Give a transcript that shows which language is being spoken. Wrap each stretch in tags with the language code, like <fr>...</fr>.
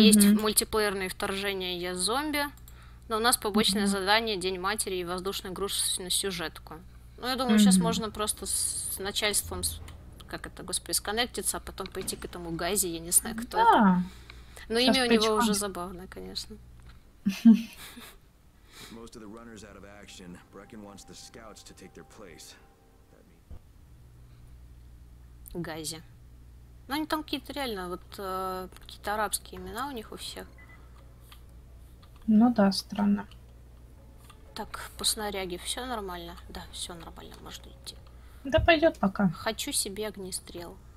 <ru>Есть мультиплеерные вторжения «Я зомби», но у нас побочное mm-hmm. задание «День матери» и воздушный груз на сюжетку. Ну, я думаю, mm-hmm. сейчас можно просто с начальством, как это, господи, сконнектиться, а потом пойти к этому Гази, я не знаю, кто mm-hmm. это. Но сейчас имя у него уже забавное, конечно.</ru> <en>Most of the runners out of action. Brecken wants the scouts to take their place.</en> <ru>Гази. Ну, они там какие-то реально, вот, какие-то арабские имена у них у всех. Ну да, странно. Так, по снаряге все нормально? Да, все нормально, можно идти. Да пойдет пока. Хочу себе огнестрел.</ru>